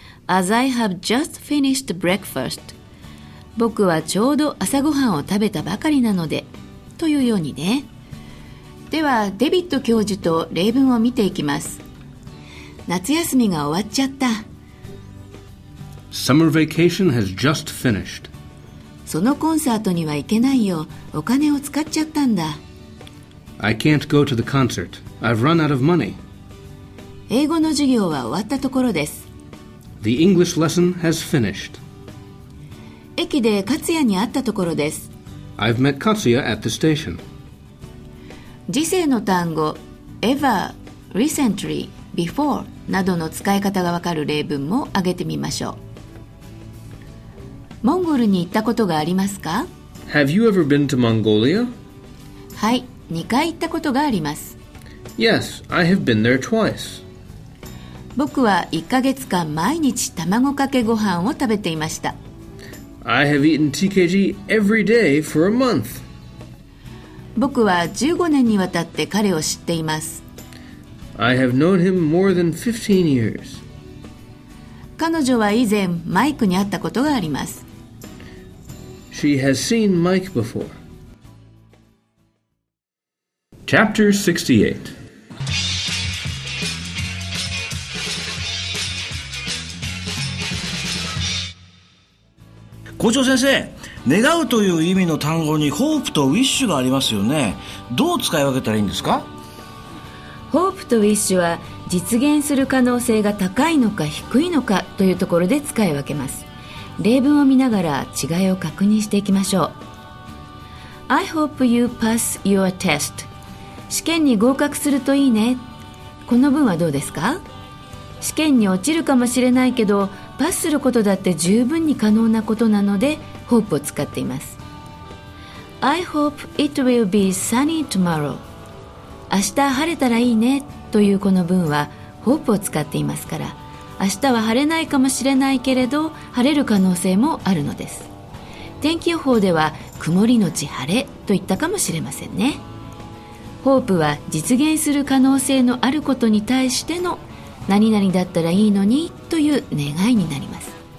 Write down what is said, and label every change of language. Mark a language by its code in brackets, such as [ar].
[en] As I have just finished breakfast、 [ja] 僕はちょうど朝ごはんを食べたばかりなので、というようにね。ではデビッド教授と例文を見ていきます。夏休みが終わっちゃった。 [en] Summer vacation has just finished。 [ja] そのコンサートには行けないよ、お金を使っちゃったんだ。 [en] I can't go to the concert. I've run out of money. [ja] 英語の授業は終わったところです。 [en] The English lesson has finished. [ja] 駅で勝也に会ったところです。 [en] I've met Katsuya at the station. [ja] 時制の単語 ever, recently, before などの使い方がわかる例文も挙げてみましょう。モンゴルに行ったことがありますか？ [en] Have you ever been to Mongolia? [ja] はい。 2回行ったことがあります。 [en] Yes, I have been there twice. [ja] 僕は1ヶ月間毎日卵かけご飯を食べていました。 [en] I have eaten TKG every day for a month. [ja] 僕は15年にわたって彼を知っています。 [en] I have known him more than 15 years. [ja] 彼女は以前マイクに会ったことがあります。 [en] She has seen Mike before Chapter 68. [ja] Kocho 先生、願うという意味の単語に hope と wish がありますよね。どう使い分けたらいいんですか？ Hope と wish は実現する可能性が高いのか低いのかというところで使い分けます。例文を見ながら違いを確認していきましょう。 [en] I hope you pass your test. [ja] 試験に合格するといいね。この文はどうですか？試験に落ちるかもしれないけど、パスすることだって十分に可能なことなので、hope を使っています。 [en] I hope it will be sunny tomorrow. [ja] 明日晴れたらいいね、というこの文は hope を使っていますから、明日は晴れないかもしれないけれど、晴れる可能性もあるのです。天気予報では曇りのち晴れと言ったかもしれませんね。ホープは実現する可能性のあることに対しての何々だったらいいのにという願いになります。